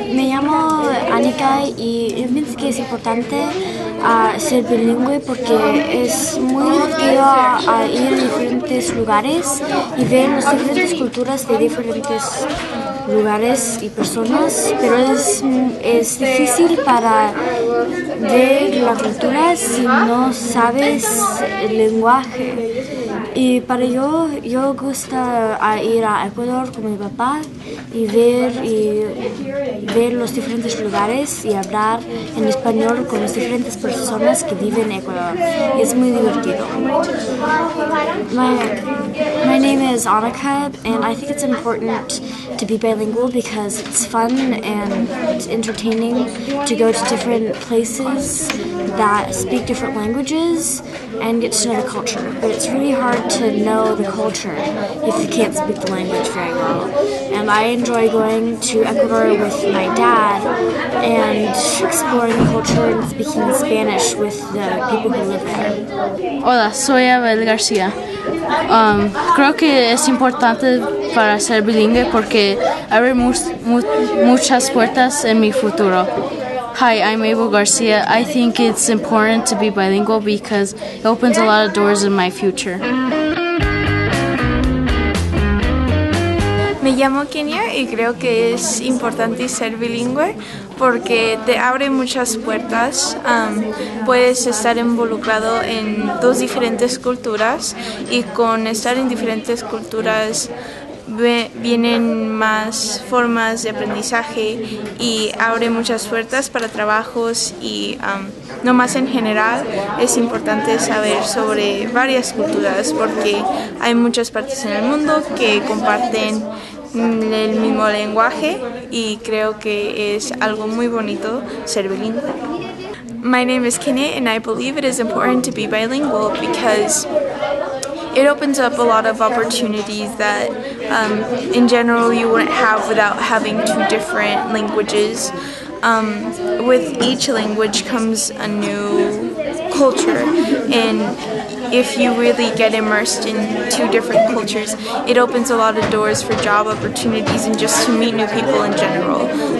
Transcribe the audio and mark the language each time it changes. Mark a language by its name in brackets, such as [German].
[Spanish] Me llamo Anika y pienso que es importante ser bilingüe porque es muy divertido a ir a diferentes lugares y ver las diferentes culturas de diferentes lugares y personas, pero es difícil para ver la cultura si no sabes el lenguaje. Y para yo gusta ir a Ecuador con mi papá y ver los diferentes lugares y hablar en español con las diferentes personas que viven en Ecuador. Es muy divertido. [English] My name is Annika, and I think it's important to be bilingual because it's fun and it's entertaining to go to different places that speak different languages and get to know the culture. But it's really hard to know the culture if you can't speak the language very well. And I enjoy going to Ecuador with my dad and exploring the culture and speaking Spanish with the people who live there. [Spanish] Hola, soy Abel García. Creo que es importante para ser bilingüe porque abre muchas puertas en mi futuro. [English] Hi, I'm Abel García. I think it's important to be bilingual because it opens a lot of doors in my future. [Spanish] Me llamo Kenia y creo que es importante ser bilingüe porque te abre muchas puertas. Puedes estar involucrado en dos diferentes culturas y con estar en diferentes culturas vienen más formas de aprendizaje y abre muchas puertas para trabajos y no más en general. Es importante saber sobre varias culturas porque hay muchas partes en el mundo que comparten el mismo lenguaje y creo que es algo muy bonito ser bilingüe. [English] My name is Kine and I believe it is important to be bilingual because it opens up a lot of opportunities that in general you wouldn't have without having two different languages. With each language comes a new culture, and if you really get immersed in two different cultures, it opens a lot of doors for job opportunities and just to meet new people in general.